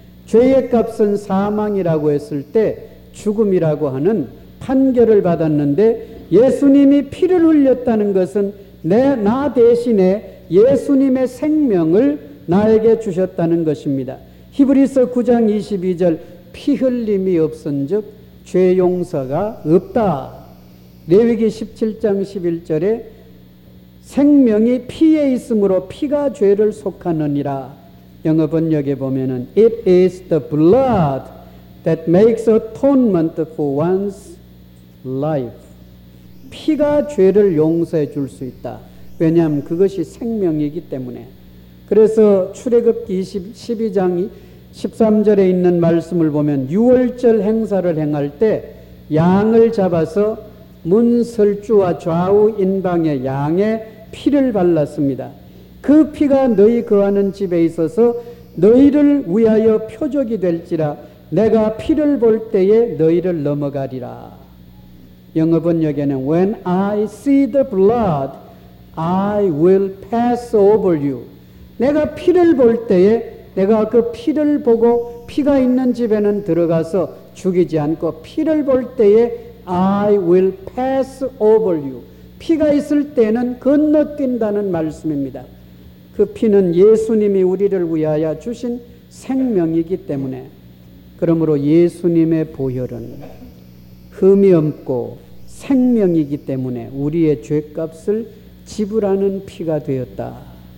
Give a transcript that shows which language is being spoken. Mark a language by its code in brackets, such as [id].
[ko] 죄의 값은 사망이라고 했을 때 죽음이라고 하는 판결을 받았는데 예수님이 피를 흘렸다는 것은 나 대신에 예수님의 생명을 나에게 주셨다는 것입니다. 히브리서 9장 22절 피 흘림이 없은 즉 죄 용서가 없다. 레위기 17장 11절에 생명이 피에 있으므로 피가 죄를 속하느니라. 영어 번역에 보면은 [en] It is the blood that makes atonement for one's life. [ko] 피가 죄를 용서해 줄 수 있다. 왜냐하면 그것이 생명이기 때문에. 그래서 출애굽기 12장 13절에 있는 말씀을 보면 유월절 행사를 행할 때 양을 잡아서 문설주와 좌우 인방의 양의 피를 발랐습니다. 그 피가 너희 거하는 집에 있어서 너희를 위하여 표적이 될지라 내가 피를 볼 때에 너희를 넘어가리라. 영어 번역에는 [en] When I see the blood, I will pass over you. [ko] 내가 피를 볼 때에 내가 그 피를 보고 피가 있는 집에는 들어가서 죽이지 않고 피를 볼 때에 [en] I will pass over you. [ko] 피가 있을 때는 건너뛴다는 말씀입니다. 그 피는 예수님이 우리를 위하여 주신 생명이기 때문에 그러므로 예수님의 보혈은 흠이 없고 생명이기 때문에 우리의 죄값을 지불하는 피가 되었다.